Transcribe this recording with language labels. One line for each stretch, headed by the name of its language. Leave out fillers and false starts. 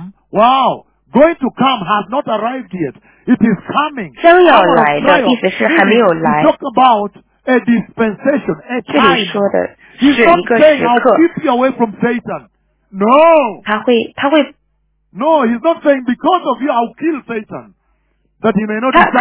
English: Wow, going to come has not arrived yet. It is coming.
Chinese: 将要来的意思是还没有来。
English: Talk about a dispensation, a time.
Chinese: 这里说的是一个时刻。
English: Keep you away from Satan. No.
Chinese: 他会。
English: No, he's not saying because of you I'll kill Satan, that he may not.